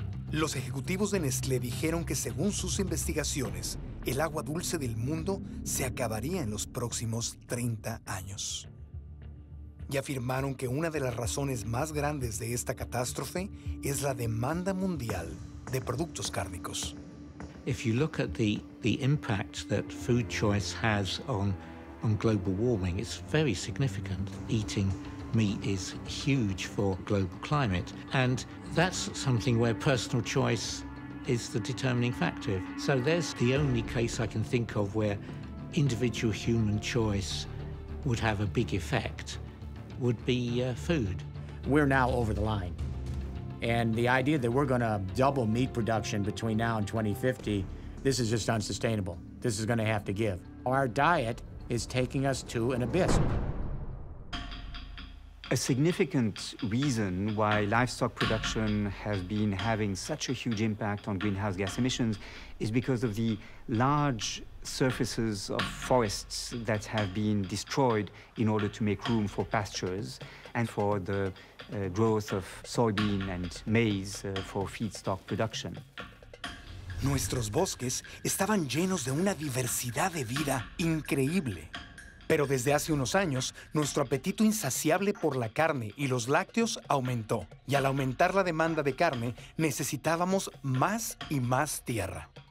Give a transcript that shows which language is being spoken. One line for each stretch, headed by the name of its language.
Spanish: Los ejecutivos de Nestlé dijeron que, según sus investigaciones, el agua dulce del mundo se acabaría en los próximos 30 años. Y afirmaron que una de las razones más grandes de esta catástrofe es la demanda mundial de productos cárnicos.
English: If you look at the impact that food choice has on global warming, it's very significant. Eating meat is huge for global climate, and that's something where personal choice is the determining factor. So there's the only case I can think of where individual human choice would have a big effect, would be food. We're now over the line. And the idea that we're going to double meat production between now and 2050, this is just unsustainable. This is going to have to give. Our diet is taking us to an abyss. A significant reason why livestock production has been having such a huge impact on greenhouse gas emissions is because of the large surfaces of forests that have been destroyed in order to make room for pastures and for the growth of soybean and maize for feedstock production.
Spanish: Nuestros bosques estaban llenos de una diversidad de vida increíble. Pero desde hace unos años, nuestro apetito insaciable por la carne y los lácteos aumentó. Y al aumentar la demanda de carne, necesitábamos más y más tierra.